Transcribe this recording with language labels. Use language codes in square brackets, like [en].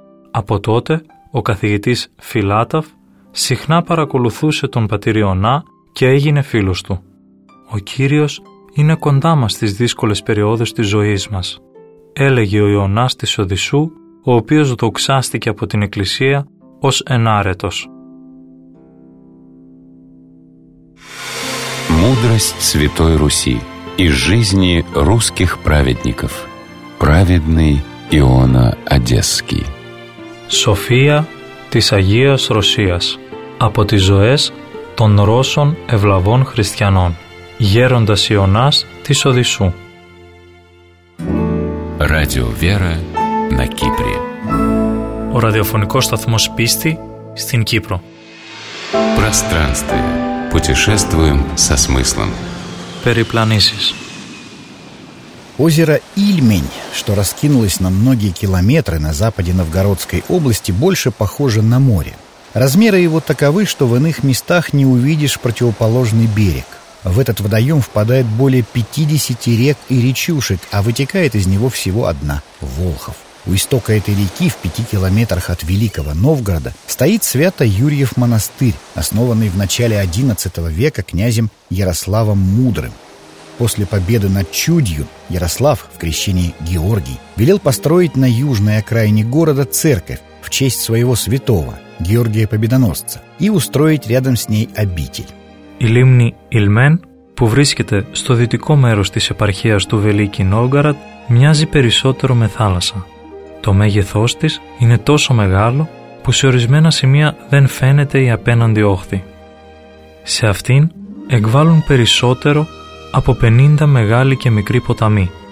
[el] Από τότε, ο καθηγητής Φιλάταφ συχνά παρακολουθούσε τον πατήρ Ιωνά και έγινε φίλος του. «Ο Κύριος είναι κοντά μας στις δύσκολες περιόδους της ζωής μας», έλεγε ο Ιωνάς της Οδυσσού, ο οποίος δοξάστηκε από την Εκκλησία ως ενάρετος. [ru] Мудрость Святой Руси и жизни русских праведников. Праведный Иона Одесский. [el] София της Агίας Ρωσίας. Από τις ζωές των Ρώσων Ευλαβών Χριστιανών, γέροντας Ιωνάς της Οδυσσού. [ru] Radio Vera, на Кипре. [el] Ο ραδιοφωνικός σταθμός πίστη στην Κύπρο. [ru] Пространство. Путешествуем со смыслом. [el] Перепланисис. [ru] Озеро Ильмень, что раскинулось на многие километры на западе Новгородской области, больше похоже на море. Размеры его таковы, что в иных местах не увидишь противоположный берег. В этот водоем впадает более 50 рек и речушек, а вытекает из него всего одна – Волхов. У истока этой реки, в 5 километрах от Великого Новгорода, стоит Свято-Юрьев монастырь, основанный в начале XI века князем Ярославом Мудрым. После победы над Чудью Ярослав, в крещении Георгий, велел построить на южной окраине города церковь в честь своего святого, Георгия Победоносца, и устроить рядом с ней обитель. [el] Η λίμνη Ιλμέν, που βρίσκεται στο δυτικό μέρος της επαρχίας του Βελίκη Νόγκαρατ, μοιάζει περισσότερο με θάλασσα. Το μέγεθός της είναι τόσο μεγάλο που σε ορισμένα σημεία δεν φαίνεται η απέναντι όχθη. Σε αυτήν εκβάλλουν περισσότερο από 50 μεγάλοι και μικροί ποταμοί.